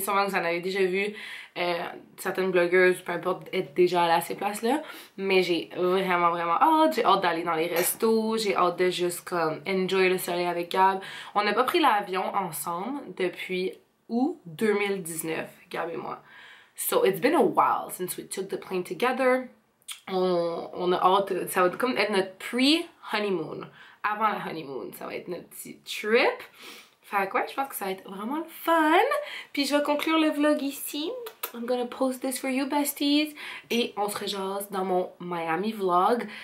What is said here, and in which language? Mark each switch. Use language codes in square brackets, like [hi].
[fr] Sûrement que vous en avez déjà vu. Certaines blogueuses, peu importe, être déjà allées à ces places-là. Mais j'ai vraiment, vraiment hâte. J'ai hâte d'aller dans les restos. J'ai hâte de juste comme enjoy le soleil avec Gab. On n'a pas pris l'avion ensemble depuis août 2019, Gab et moi. [en] So it's been a while since we took the plane together. [fr] On a hâte. Ça va être comme être notre pre-honeymoon. Avant la honeymoon, ça va être notre petit trip. Fait que ouais, je pense que ça va être vraiment le fun. Puis je vais conclure le vlog ici. [en] I'm gonna post this for you, besties. [fr] Et on se rejase dans mon Miami vlog.